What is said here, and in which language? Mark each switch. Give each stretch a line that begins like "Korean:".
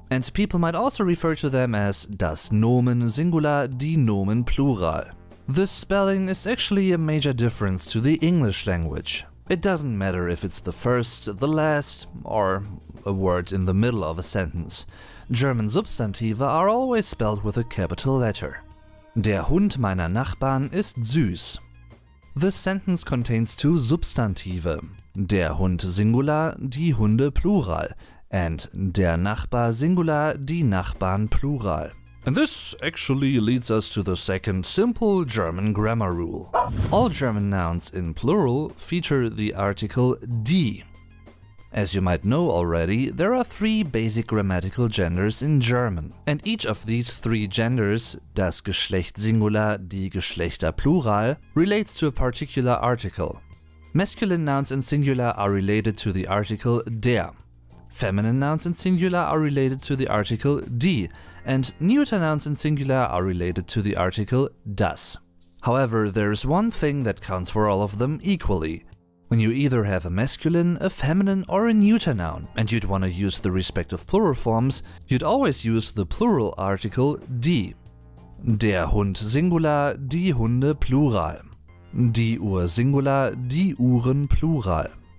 English: And people might also refer to them as
German: das Nomen Singular, die Nomen Plural.
English: This spelling is actually a major difference to the English language. It doesn't matter if it's the first, the last, or a word in the middle of a sentence. German Substantive are always spelled with a capital letter.
German: Der Hund meiner Nachbarn ist süß.
English: This sentence contains two Substantive.
German: Der Hund Singular, die Hunde Plural.
English: And
German: der Nachbar Singular, die Nachbarn Plural.
English: And this actually leads us to the second simple German grammar rule. All German nouns in plural feature the article die. As you might know already, there are three basic grammatical genders in German. And each of these three genders,
German: das Geschlecht Singular, die Geschlechter Plural,
English: relates to a particular article. Masculine nouns in Singular are related to the article der. Feminine nouns in Singular are related to the article die. And neuter nouns in Singular are related to the article das. However, there is one thing that counts for all of them equally. When you either have a masculine, a feminine, or a neuter noun, and you'd want to use the respective plural forms, you'd always use the plural article die.
German: Der Hund Singular, die Hunde Plural. Die Uhr Singular, die Uhren Plural.